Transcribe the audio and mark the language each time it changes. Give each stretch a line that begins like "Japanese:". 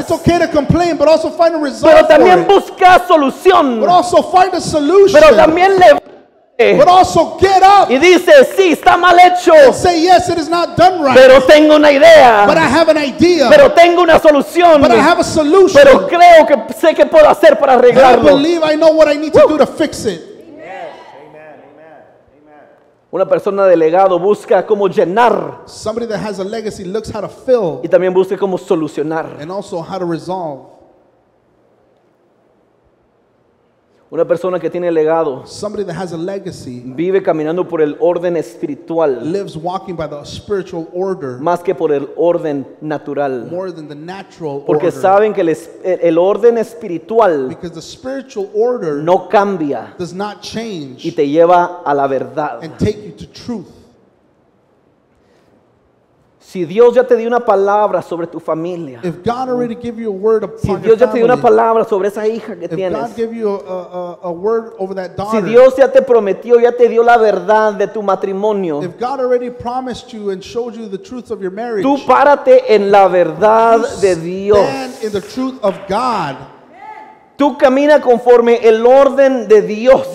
English: It's okay to complain, but also find a resolve,
Spanish: pero también busca solución,
English: but also find a solution.
Spanish: Pero también levanta.
English: But also get up.
Spanish: Y dice, sí, está mal hecho.
English: And say, yes, it is not done right.
Spanish: Pero tengo una idea.
English: But I have an idea.
Spanish: Pero tengo una solución.
English: But I have a solution.
Spanish: Pero creo que sé qué puedo hacer para arreglarlo.
English: I believe I know what I need to do to fix it.
Spanish: Una persona de legado busca cómo llenar.
English: Somebody that has a legacy looks how to fill.
Spanish: Y también busca cómo solucionar.
English: And also how to resolve.
Spanish: Una persona que tiene legado,
English: somebody that has a legacy,
Spanish: vive caminando por el orden espiritual,
English: lives walking by the spiritual order,
Spanish: más que por el orden natural,
English: more than the natural order,
Spanish: porque saben que el orden espiritual,
English: because the spiritual order,
Spanish: no cambia,
English: does not change,
Spanish: y te lleva a la verdad,
English: and take you to truth.
Spanish: Si Dios ya te dio una palabra sobre tu familia,
English: if God already gave you a word upon
Spanish: si Dios ya te dio una palabra sobre esa hija que
English: if
Spanish: tienes,
English: God gave you a word over that daughter,
Spanish: si Dios ya te prometió, ya te dio la verdad de tu matrimonio,
English: if God already promised you and showed you the truth of your marriage,
Spanish: tú párate en la verdad
English: you
Spanish: de Dios.
English: Stand in the truth of God.
Spanish: Tú camina conforme el orden de Dios.